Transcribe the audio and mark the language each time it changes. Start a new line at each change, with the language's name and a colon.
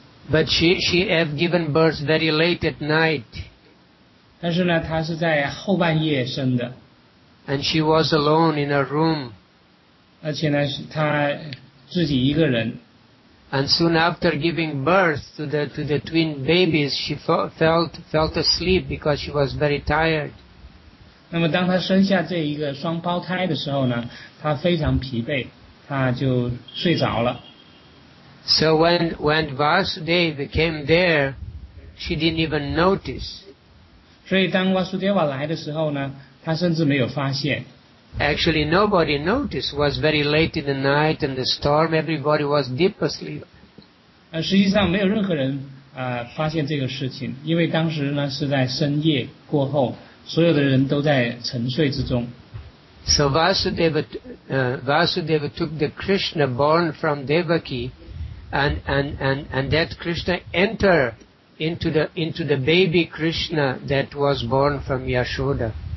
English: But she had given birth very late at night.
Chinese: 但是呢，她是在后半夜生的。
English: And she was alone in her room.
Chinese: 而且呢，她自己一个人。
English: And soon after giving birth to the twin babies, she felt asleep because she was very tired.
Chinese: 那么当她生下这一个双胞胎的时候呢，她非常疲惫，她就睡着了。
English: So when Vasudeva came there, she didn't even notice.
Chinese: 所以当 Vasudeva 来的时候呢，她甚至没有发现。
English: Actually, nobody noticed. It was very late in the night and the storm. Everybody was deep asleep.
Chinese: 实际上没有任何人发现这个事情，因为当时呢是在深夜过后，所有的人都在沉睡之中。
English: So Vasudeva took the Krishna born from Devaki, and that Krishna entered into the baby Krishna that was born from Yashoda.